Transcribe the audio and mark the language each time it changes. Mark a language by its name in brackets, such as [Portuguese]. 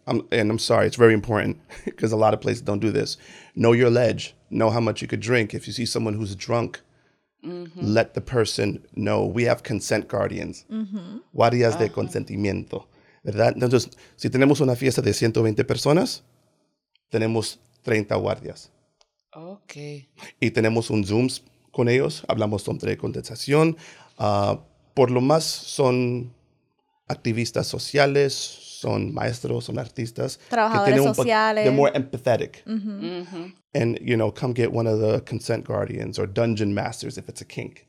[English] I'm sorry, it's very important because a lot of places don't do this. Know your ledge. Know how much you could drink. If you see someone who's drunk, let the person know. We have consent guardians. [Spanish] Guardias de consentimiento, ¿verdad? Entonces, si tenemos una fiesta de 120 personas, tenemos 30 guardias. [English] Okay. [Spanish] Y tenemos un Zoom con ellos. Hablamos sobre contestación. Por lo más son activistas sociales, son maestros, son artistas. Trabajadores que sociales. [English] They're more empathetic. And, you know, come get one of the consent guardians or dungeon masters if it's a kink.